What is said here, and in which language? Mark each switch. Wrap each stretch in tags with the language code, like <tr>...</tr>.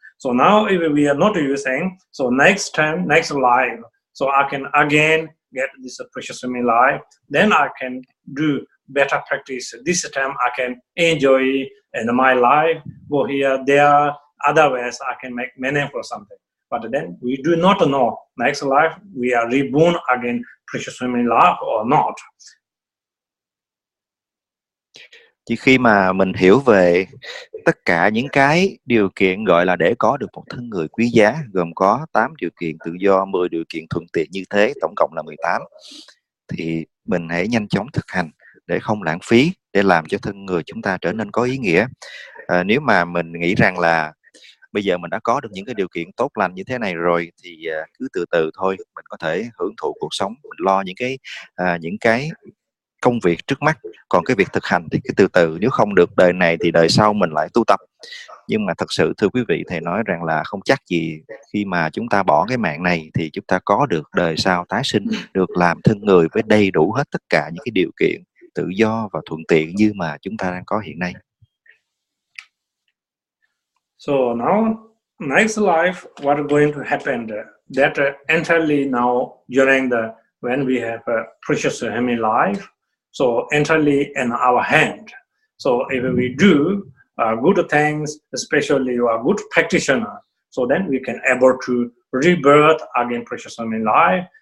<en>So now if we are not using, so next time, next life, so I can again get this precious human life, then I can do better practice. This time I can enjoy and my life go here, there, other ways I can make meaning for something. But then we do not know next life, we are reborn again precious human life or not.</en> <vi>Chỉ khi mà mình hiểu về tất cả những cái điều kiện gọi là để có được một thân người quý giá, gồm có 8 điều kiện tự do, 10 điều kiện thuận tiện như thế, tổng cộng là 18, thì mình hãy nhanh chóng thực hành để không lãng phí, để làm cho thân người chúng ta trở nên có ý nghĩa. Nếu mà mình nghĩ rằng là bây giờ mình đã có được những cái điều kiện tốt lành như thế này rồi, thì cứ từ từ thôi, mình có thể hưởng thụ cuộc sống, mình lo những cái công việc trước mắt, còn cái việc thực hành thì cứ từ từ, nếu không được đời này thì đời sau mình lại tu tập. Nhưng mà thật sự thưa quý vị, thầy nói rằng là không chắc gì khi mà chúng ta bỏ cái mạng này thì chúng ta có được đời sau tái sinh, được làm thân người với đầy đủ hết tất cả những cái điều kiện tự do và thuận tiện như mà chúng ta đang có hiện nay.</vi> <en>So now next life what is going to happen that entirely now during the when we have a precious human life. So entirely in our hand. So if we do good things, especially you are good practitioner, so then we can able to rebirth again precious human life.</en>